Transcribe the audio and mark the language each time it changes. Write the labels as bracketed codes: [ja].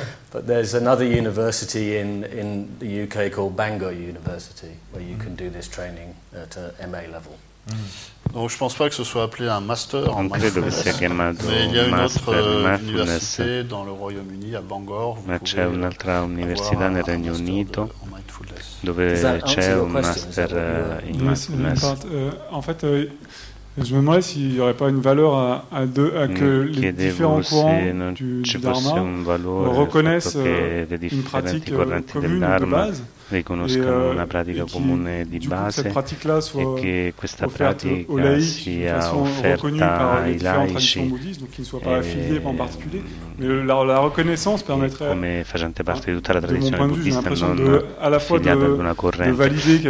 [en] But there's another university in the UK called Bangor University where you can do this training at a MA level. [fr] Donc je pense pas que ce soit appelé un master en mindfulness, mais il y a une autre université dans le Royaume-Uni à Bangor. [it] Mais c'è un'altra università nel Regno Unito dove c'è un master in mindfulness. [fr] En fait, je me demandais s'il y aurait pas une valeur à deux, à que les différents courants du Dharma reconnaissent une pratique commune de base. [it] Riconoscono una pratica comune di base e che questa pratica sia offerta ai laici, come facente parte di tutta la tradizione buddista, non affiliata ad una corrente.